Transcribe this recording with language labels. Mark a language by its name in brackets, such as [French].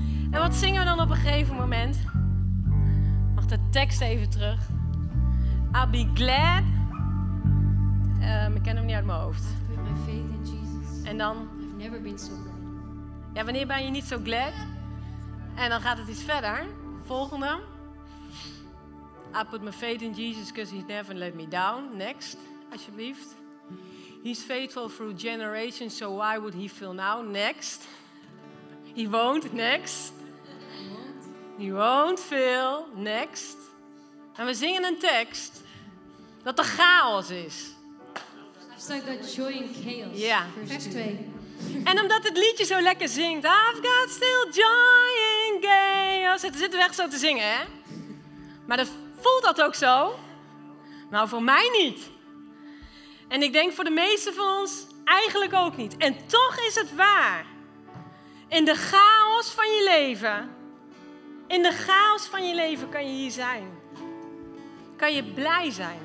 [Dutch] En wat zingen we dan op een gegeven moment? Mag de tekst even terug. [English] I'll be glad. [Dutch] Ik ken hem niet uit mijn hoofd. [English] I put my faith in Jesus. [Dutch] En dan? [English] I've never been so glad. [Dutch] Ja, wanneer ben je niet zo glad? En dan gaat het iets verder. Volgende. [English] I put my faith in Jesus because he's never let me down. Next, alsjeblieft. He's faithful through generations, so why would he fail now? Next. He won't. Next. He won't fail. Next. [Dutch] En we zingen een tekst dat de chaos is. [English] I've still got joy in chaos. [Dutch] Ja. Vers 2. En omdat het liedje zo lekker zingt. [English] I've got still joy in chaos. [Dutch] Het zit weg zo te zingen, hè? Maar dat voelt dat ook zo. Nou, voor mij niet. En ik denk voor de meeste van ons eigenlijk ook niet. En toch is het waar. In de chaos van je leven. In de chaos van je leven kan je hier zijn. Kan je blij zijn.